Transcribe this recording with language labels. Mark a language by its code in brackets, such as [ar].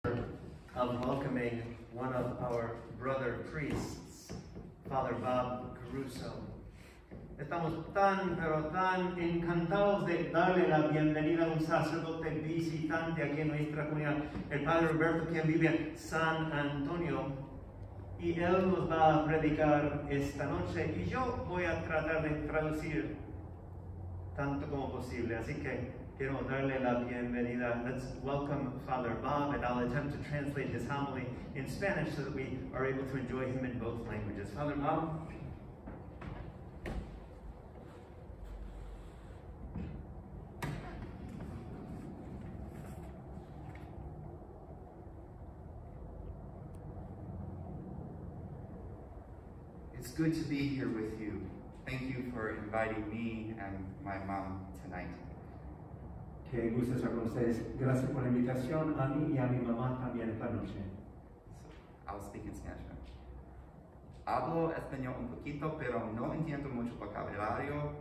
[en] of welcoming one of our brother priests, Father Bob Caruso. [es] Estamos tan, pero tan encantados de darle la bienvenida a un sacerdote visitante aquí en nuestra comunidad, el Padre Roberto, quien vive en San Antonio. Y él nos va a predicar esta noche y yo voy a tratar de traducir tanto como posible. Así que quiero darle la bienvenida. [en] Let's welcome Father Bob, and I'll attempt to translate his homily in Spanish so that we are able to enjoy him in both languages. Father Bob. Good to be here with you. Thank you for inviting me and my mom tonight. [es] Qué gusto estar con ustedes. Gracias por la invitación a mí y a mi mamá también esta noche. [en] I'll speak in Spanish. [es] Hablo español un poquito, pero no entiendo mucho vocabulario.